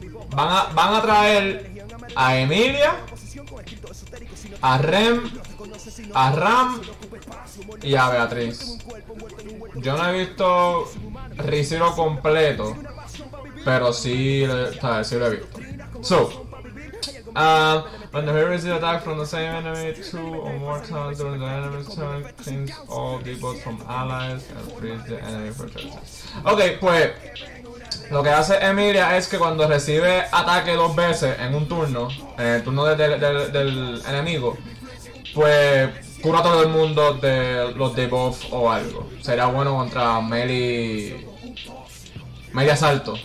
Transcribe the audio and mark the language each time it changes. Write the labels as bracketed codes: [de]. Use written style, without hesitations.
[es] Van a traer a Emilia, a Rem, a Ram y a Beatriz. Yo no he visto Re:Zero completo, pero sí, ¿sabes? Sí lo he visto. [en] So, when the hero receives attack from the same enemy, two or more times during the enemy's turn, cleans all debuffs from allies and frees the enemy protection. [es] Okay, pues, lo que hace Emilia es que cuando recibe ataque dos veces en un turno, en el turno del enemigo, pues cura a todo el mundo de los debuffs o algo. Sería bueno contra Meli asalto.